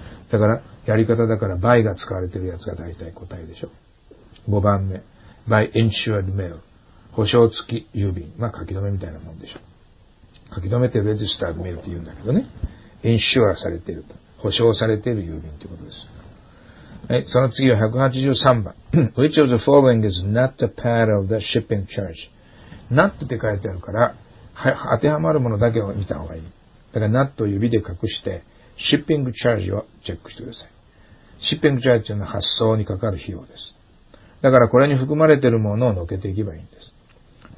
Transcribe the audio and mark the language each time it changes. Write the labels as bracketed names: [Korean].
[Japanese] だから、やり方だから、by が使われてるやつが大体答えでしょ。 5番目、 [English] by insured mail。 [Japanese] 保証付き郵便。まあ、書き留めみたいなもんでしょ。書き留めて、registered mail って言うんだけどね。insure されてると。保証されてる郵便ってことです。はい、その次は183番。 [English] Which of the following is not a part of the shipping charge? [Japanese] なっ て書いてあるから、当てはまるものだけを見た方がいい。だから、なっと指で隠して、シッピングチャージをチェックしてください。シッピングチャージというのは発送にかかる費用です。だから、これに含まれているものを乗けていけばいいんです。